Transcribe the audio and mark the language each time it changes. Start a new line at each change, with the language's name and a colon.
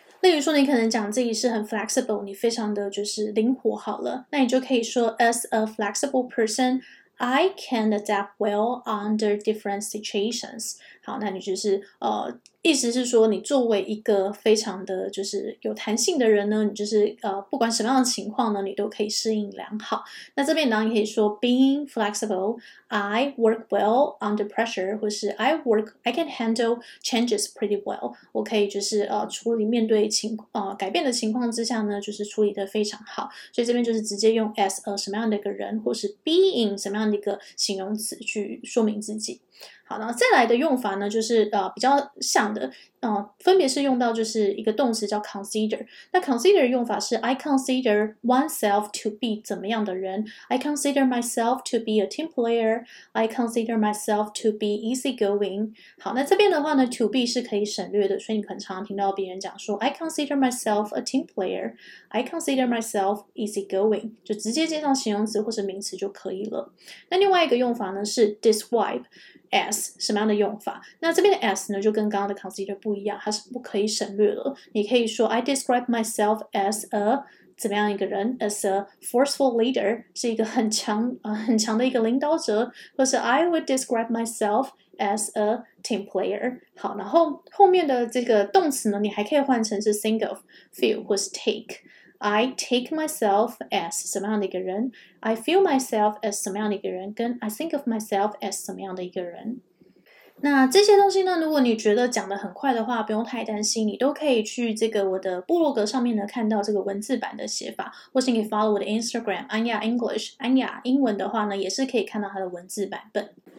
Chinese: 例如说你可能讲自己是很 flexible, 你非常的就是灵活好了，那你就可以说
English: as a flexible person,I can adapt well under different situations.
Chinese: 好，那你就是意思是说你作为一个非常的就是有弹性的人呢，你就是不管什么样的情况呢，你都可以适应良好。那这边呢，你可以说
English: being flexible, I work well under pressure,
Chinese: 或是
English: I can handle changes pretty well.
Chinese: 我可以就是处理面对改变的情况之下呢，就是处理得非常好。所以这边就是直接用 as a 什么样的一个人，或是 being 什么样的一个形容词去说明自己。好，那再来的用法呢，就是比较像的，分别是用到就是一个动词叫 consider。那
English: consider
Chinese: 用法是
English: I consider oneself to be
Chinese: 怎么样的人
English: ，I consider myself to be a team player，I consider myself to be easygoing。
Chinese: 好，那这边的话呢 ，to be 是可以省略的，所以你很常常听到别人讲说
English: I consider myself a team player，I consider myself easygoing，
Chinese: 就直接接上形容词或者名词就可以了。那另外一个用法呢是 describe。as 什么样的用法，那这边的 as 呢就跟刚刚的 consider 不一样，它是不可以省略了。你可以说
English: I describe myself as a
Chinese: 怎么样一个人，
English: as a forceful leader，
Chinese: 是一个很强的一个领导者，或是
English: I would describe myself as a team player。
Chinese: 好，然后后面的这个动词呢，你还可以换成是
English: think of, feel 或是 takeI take myself as
Chinese: 什么样的一个人
English: ，I feel myself as 什么样的一个人，
Chinese: 跟
English: I think of myself as 什么样的一个人。
Chinese: 那这些东西呢，如果你觉得讲得很快的话，不用太担心，你都可以去这个我的部落格上面呢看到这个文字版的写法，或是你可以 follow 我的 Instagram 安雅 English 安雅英文的话呢，也是可以看到它的文字版本。